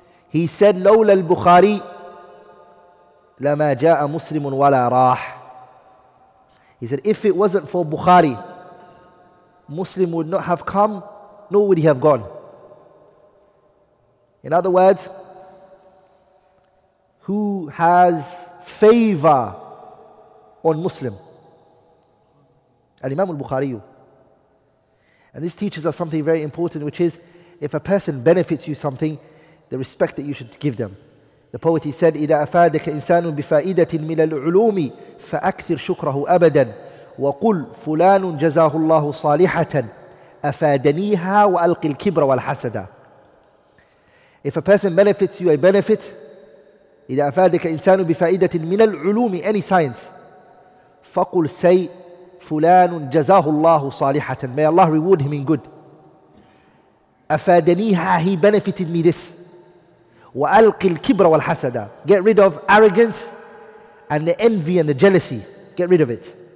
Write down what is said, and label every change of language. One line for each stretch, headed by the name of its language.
English: He said,
Arabic: لولا البخاري لما جاء مسلم ولا راح.
English: He said, if it wasn't for Bukhari, Muslim would not have come, nor would he have gone. In other words, who has favor on Muslim? Al-Imam al-Bukhari. And this teaches us something very important, which is, if a person benefits you something, the respect that you should give them. The poet, he said,
Arabic: إِذَا أَفَادَكَ إِنسَانٌ بِفَائِدَةٍ مِنَ الْعُلُومِ فَأَكْثِرْ شُكْرَهُ أَبَدًا وَقُلْ فُلَانٌ جَزَاهُ اللَّهُ صَالِحَةً أَفَادَنِيهَا وَأَلْقِ الْكِبْرَ وَالْحَسَدَ.
English: If a person benefits you, a benefit,
Arabic: إِذَا أَفَادَكَ إِنسَانٌ بِفَائِدَةٍ مِنَ الْعُلُومِ,
English: any science,
Arabic: فَقُلْ سَيْ فُلَانٌ جَزَاهُ اللَّهُ صَالِحَةً,
English: may Allah reward him in good.
Arabic: أَفَادَنِيهَا
English: He benefited me this.
Arabic: وَأَلْقِ الْكِبْرَ وَالْحَسَدَ
English: Get rid of arrogance and the envy and the jealousy. Get rid of it.